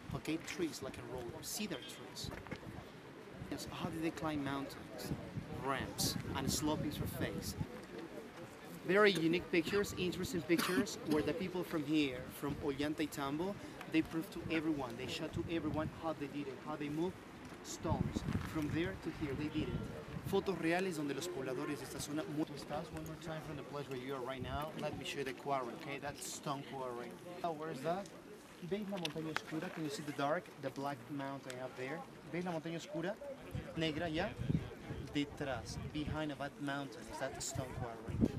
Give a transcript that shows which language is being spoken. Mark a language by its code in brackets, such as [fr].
[en] Okay, trees like a roller. Cedar trees. Yes, how did they climb mountains? Ramps and sloping surface. Very unique pictures, interesting pictures, where the people from here, from Ollantaytambo, they proved to everyone, they showed to everyone how they did it, how they moved stones from there to here, they did it. [es] Fotos reales donde los pobladores de esta zona mueven stones. [en] One more time from the place where you are right now, let me show you the quarry, okay, that's stone quarry. Now, where is that? [es] ¿Veis la montaña oscura? [en] Can you see the dark, the black mountain up there? [es] ¿Veis la montaña oscura? Negra, ya? Detrás, [en] behind of that mountain, is that stone quarry.